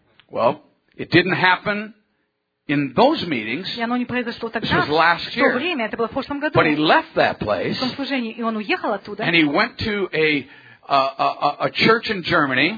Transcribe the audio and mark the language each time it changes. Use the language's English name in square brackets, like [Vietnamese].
[English] Well, it didn't happen in those meetings. [Russian] И оно не произошло тогда. [English] This was last year. [Russian] В то время, это было в прошлом году. [English] But he left that place. [Russian] В том служении, и он уехал оттуда. [English] And he went to a church in Germany.